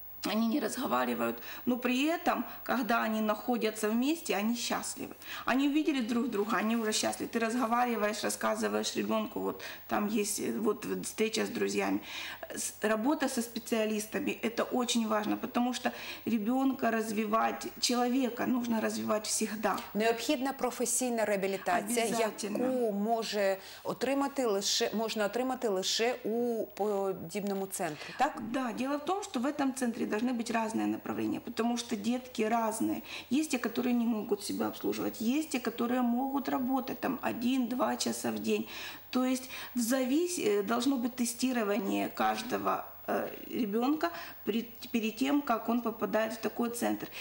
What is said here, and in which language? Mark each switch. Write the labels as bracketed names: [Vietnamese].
[Russian] Они не разговаривают, но при этом, когда они находятся вместе, они счастливы. Они увидели друг друга, они уже счастливы. Ты разговариваешь, рассказываешь ребенку, вот там есть вот встреча с друзьями. Работа со специалистами – это очень важно, потому что ребенка развивать, человека нужно развивать всегда. [Ukrainian] Необхідна професійна реабілітація, яку може отримати лише, можна отримати лише у подібному центрі, так? [Russian] Да, дело в том, что в этом центре должны быть разные направления, потому что детки разные. Есть те, которые не могут себя обслуживать, есть те, которые могут работать там 1-2 часа в день. То есть должно быть тестирование каждого ребенка перед тем, как он попадает в такой центр.